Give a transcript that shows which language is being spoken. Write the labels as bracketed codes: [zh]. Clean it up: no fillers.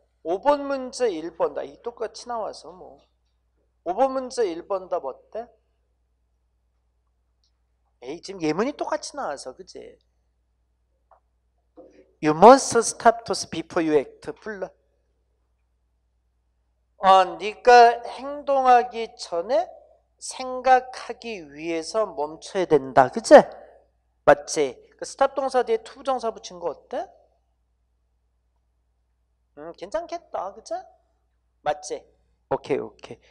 [ko] 5번 문제 1번 답. 이 똑같이 나와서 뭐. 5번 문제 1번 답 어때? 에이, 지금 예문이 똑같이 나와서, 그지? [en] You must stop this before you act. [ko] 불러. 네가 행동하기 전에 생각하기 위해서 멈춰야 된다. 그지? 맞지? 그 stop 동사 뒤에 to 부정사 붙인 거 어때? 괜찮겠다, 그죠? 맞지? 오케이, 오케이.